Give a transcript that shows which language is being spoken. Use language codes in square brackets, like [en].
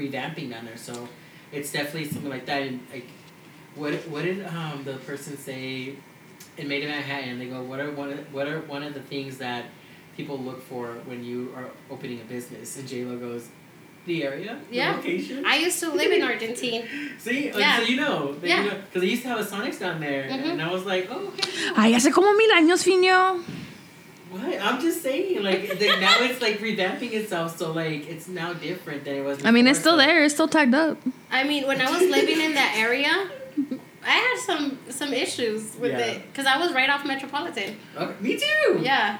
[en] revamping down there, so it's definitely something like that. And like, what did the person say in Made in Manhattan? They go, what are one of the things that people look for when you are opening a business? And J-Lo goes, the area, yeah. the location. I used to live in Argentine. See, yeah. So you know, because yeah. I used to have a Sonics down there, mm-hmm. and I was like, oh, okay. [es] Ay, hace como mil años, Fino. [en] What? I'm just saying, like, now it's, like, revamping itself, so, like, it's now different than it was before. I mean, it's so. Still there. It's still tagged up. I mean, when I was living in that area, I had some issues with yeah. it, because I was right off Metropolitan. Okay. Me too! Yeah.